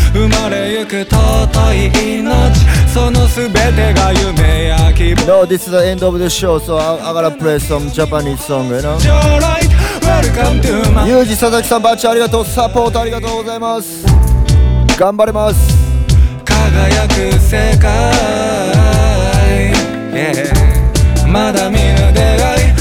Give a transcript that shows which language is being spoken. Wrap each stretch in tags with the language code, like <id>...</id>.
<ja>生まれゆく尊い命、その全てが夢や希望。</ja> <en>No, this is the end of the show, so I gotta play some Japanese song, you know. Welcome to my</en> <ja>ユージ佐々木さん、バッチありがとう、サポートありがとうございます。頑張ります。輝く世界、まだ見ぬ出会い。</ja>